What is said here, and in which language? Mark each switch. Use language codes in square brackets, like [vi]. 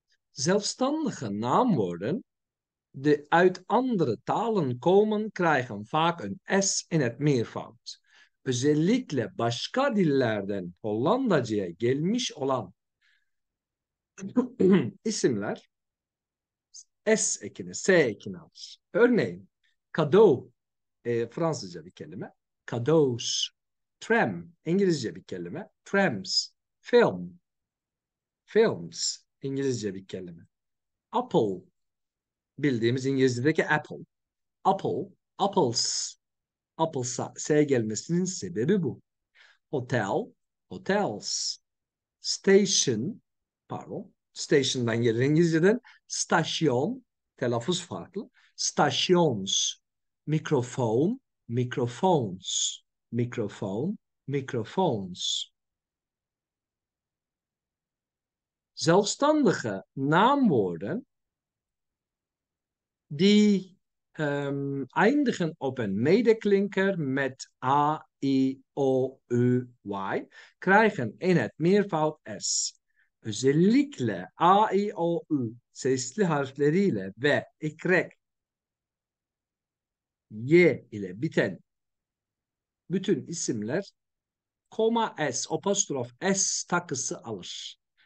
[nl] Zelfstandige naamwoorden die uit andere talen komen, krijgen vaak een S in het meervoud. [tr] Özellikle başka dillerden Hollandacıya gelmiş olan isimler S ekini, S ekini alır. Örneğin, cadeau, Fransızca bir kelime, cadeaus. Tram, İngilizce bir kelime, trams. Film, films, İngilizce bir kelime. Apple, bildiğimiz İngilizce'deki apple. Apple, apples. Apples'a S gelmesinin sebebi bu. Hotel, hotels. station, pardon, station'dan gelir İngilizce'den, stasyon, telaffuz farklı, stasyons, mikrofon, mikrofons, mikrofon, mikrofons. [nl] Zelfstandige naamwoorden die eindigen op een medeklinker met a, i, o, u, y krijgen in het meervoud s. [tr] Özellikle a, i, o, u sesli harfleriyle ve y, y ile biten bütün isimler koma s, apostrof s takısı alır.